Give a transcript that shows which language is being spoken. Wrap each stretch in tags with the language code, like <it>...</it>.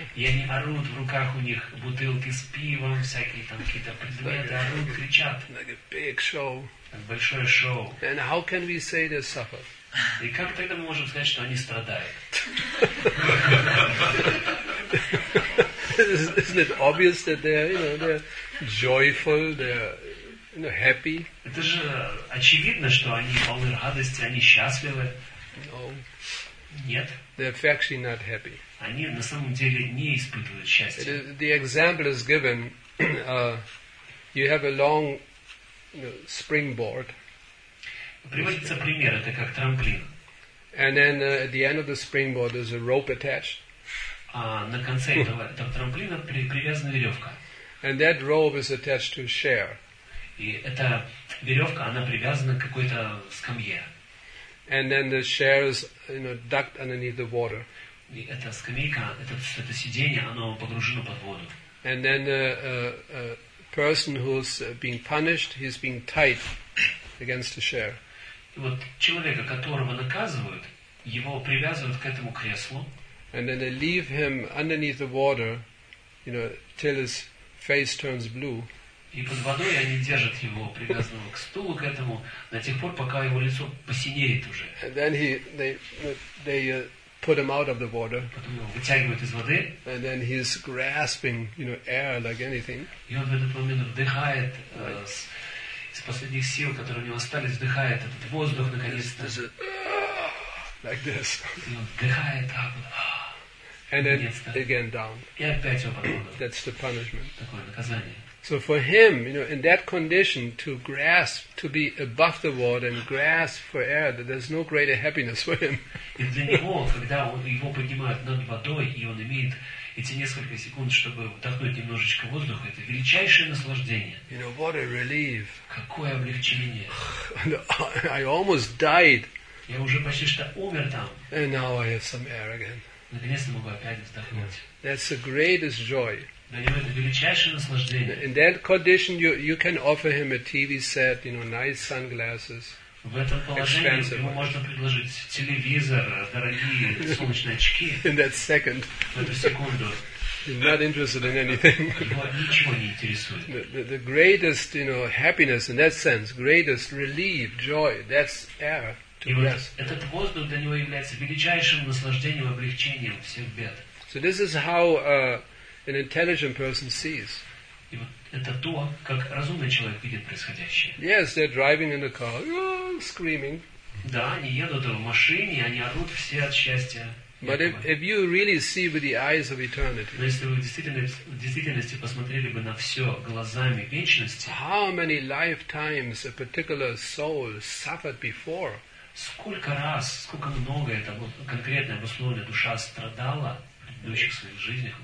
<ru>И они орут в руках у них бутылки с пивом всякие там какие-то предметы орут кричат.</ru> <en>Like a big show.</en> <ru>Большое шоу.</ru> <en>And how can we say they suffer?</en> <ru>И как тогда мы можем сказать, что они страдают?</ru> <en>Isn't it obvious that they're, you know, they're joyful, they're, you know, happy?</en> <ru>Это же очевидно, что они полны радости, они счастливы.</ru> <en>No.</en> <ru>Нет.</ru> <en>They're actually not happy.</en> <ru>Они на самом деле не испытывают счастья.</ru> <en>The example is given. You have a long, you know, springboard.</en> <ru>Приводится пример, это как трамплин.</ru> <en>And then at the end of the springboard there's a rope attached.</en> <ru>А на конце этого трамплина привязана веревка.</ru> <en>And that rope is attached to a chair.</en> <ru>И эта веревка, она привязана к какой-то скамье.</ru> <en>And then the chair is, you know, ducked underneath the water.</en> <ru>И эта скамейка, это сиденье, оно погружено под воду.</ru> <en>And then a person who's being punished, he's being tied against the chair.</en> <ru>Вот человека, которого наказывают, его привязывают к этому креслу.</ru> <en>And then they leave him underneath the water, you know, till his face turns blue.</en> <ru>И под водой они держат его, привязанного к стулу, к этому, до тех пор, пока его лицо посинеет уже.</ru> <en>And then they put him out of the water.</en> <ru>Потом его вытягивают из воды.</ru> <en>And then he's grasping, you know, air like anything.</en> <ru>И он в этот момент вдыхает. Из последних сил, которые у него остались, вдыхает этот воздух наконец-то.</ru> <en>Like this.</en> <ru>И он вдыхает так вот.</ru> <en>And then again down.</en> <ru>И опять его под воду.</ru> <en>That's the punishment.</en> <ru>Такое наказание.</ru> <en>So for him, you know, in that condition, to grasp, to be above the water and grasp for air, that there's no greater happiness for him.</en> <ru>И для него, когда его поднимают над водой, и он имеет эти несколько секунд, чтобы вдохнуть немножечко воздуха, это величайшее наслаждение.</ru> <en>You know, what a relief.</en> <ru>Какое облегчение.</ru> <en>I almost died.</en> <ru>Я уже почти что умер там.</ru> <en>And now I have some air again.</en> <ru>Наконец-то могу опять вздохнуть.</ru> <en>That's the greatest joy. In that condition, you can offer him a TV set, you know, nice sunglasses.</en> <ru>В этом положении ему можно предложить телевизор, дорогие солнечные очки.</ru> <en>In that second.</en> <ru>В эту секунду.</ru> <en>He's not interested in anything. The greatest, you know, happiness in that sense, greatest relief, joy, that's air to rest.</en> <ru>И вот этот воздух для него является величайшим наслаждением, облегчением всех бед.</ru> <en>So this is how an intelligent person sees.</en> <ru>И вот это то, как разумный человек видит происходящее.</ru> <en>Yes, they're driving in the car, screaming.</en> <ru>Да, они едут в машине, они орут все от счастья.</ru> <en>But if you really see with the eyes of eternity.</en> <ru>Но если вы в действительности посмотрели бы на все глазами вечности.</ru> <en>How many lifetimes a particular soul suffered before?</en> <ru>Сколько раз, сколько много эта конкретная обусловленная душа страдала в предыдущих своих жизнях?</ru>